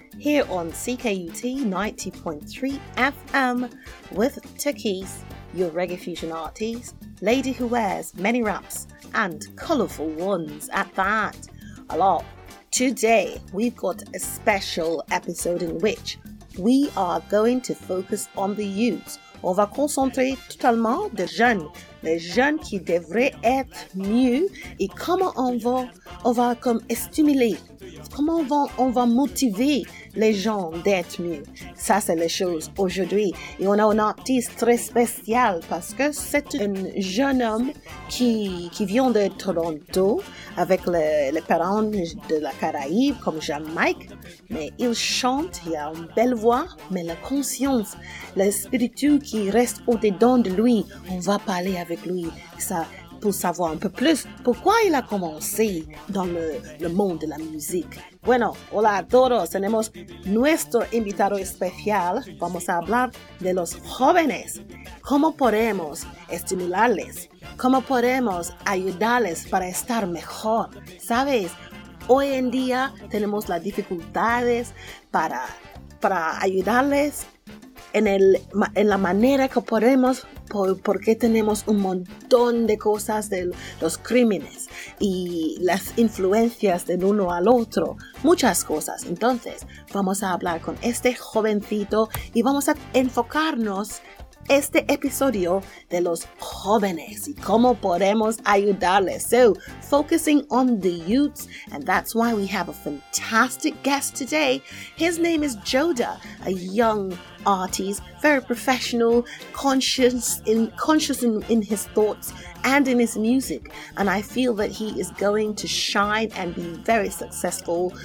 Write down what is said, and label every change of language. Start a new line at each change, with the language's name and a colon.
English: Here on CKUT 90.3 FM with Takis, your reggae fusion artist, lady who wears many wraps and colourful ones at that. A lot. Today we've got a special episode in which we are going to focus on the youth.
French: On va concentrer totalement les jeunes qui devraient être mieux et comment on va comme stimuler. Comment on va motiver les gens d'être mieux? Ça, c'est les choses aujourd'hui. Et on a un artiste très spécial parce que c'est un jeune homme qui vient de Toronto avec les parents de la Caraïbe, comme Jamaïque. Mais il chante, il a une belle voix, mais la conscience, le spiritu qui reste au-dedans de lui, on va parler avec lui. Ça, pour savoir un peu plus pourquoi il a commencé dans le monde de la musique.
Spanish: Bueno, hola a todos, tenemos nuestro invitado especial. Vamos a hablar de los jóvenes. ¿Cómo podemos estimularles? ¿Cómo podemos ayudarles para estar mejor? ¿Sabes? Hoy en día tenemos las dificultades para ayudarles en la manera que podemos. Porque tenemos un montón de cosas de los crímenes y las influencias del uno al otro, muchas cosas. Entonces, vamos a hablar con este jovencito y vamos a enfocarnos este episodio de los jóvenes y cómo podemos ayudarles.
English: So, focusing on the youths, and that's why we have a fantastic guest today. His name is Jodah, a young artist, very professional, conscious in his thoughts and in his music. And I feel that he is going to shine and be very successful.